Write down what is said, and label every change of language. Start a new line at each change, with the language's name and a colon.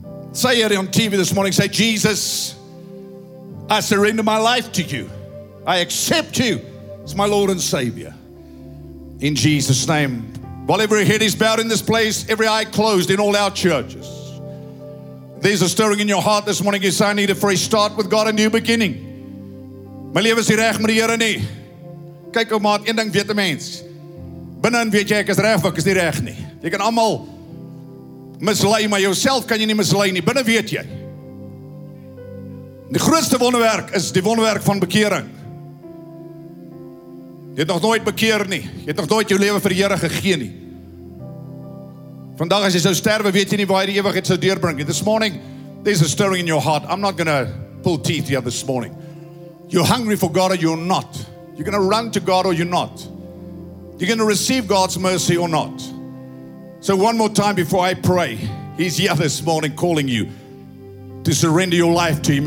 English: Say it on TV this morning. Say, Jesus, I surrender my life to you. I accept you as my Lord and Savior. In Jesus' name. While every head is bowed in this place, every eye closed in all our churches, there's a stirring in your heart this morning. You say, I need a fresh start with God, a new beginning.
Afrikaans: My lewe is reg met die Here nie. Kyk ou maat, een ding weet 'n mens. Binnen weet jy ek is reg, ek is nie reg nie. Jy kan almal mislei, maar jouself kan jy nie mislei nie. Binnen weet jy. Die grootste wonderwerk is die wonderwerk van bekering. Jy het nog nooit bekeer nie. Jy het nog nooit jou lewe vir die Here gegee nie. Vandag as jy sou sterwe, weet jy nie waar jy die ewigheid sou deurbring nie.
English: This morning, there's a stirring in your heart. I'm not going to pull teeth here this morning. You're hungry for God or you're not. You're going to run to God or you're not. You're going to receive God's mercy or not. So one more time before I pray. He's here this morning calling you to surrender your life to Him.